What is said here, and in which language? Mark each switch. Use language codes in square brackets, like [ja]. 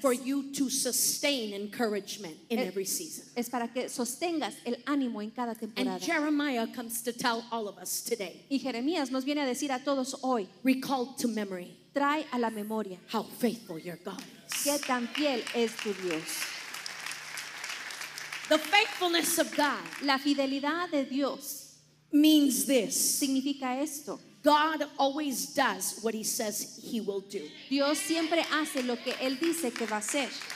[en] for you to sustain encouragement in every season. [es] Es para que sostengas el ánimo en cada temporada. [en] And Jeremiah comes to tell all of us today. [es] Y Jeremías nos viene a decir a todos hoy. [en] Recall to memory. [es] Trae a la memoria. [en] How faithful your God is. [es] Qué tan fiel es tu Dios. [en] The faithfulness of God. [es] La fidelidad de Dios. [en] Means this. [es] Significa esto. [en] God always does what he says he will do. [es] Dios siempre hace lo que él dice que va a hacer.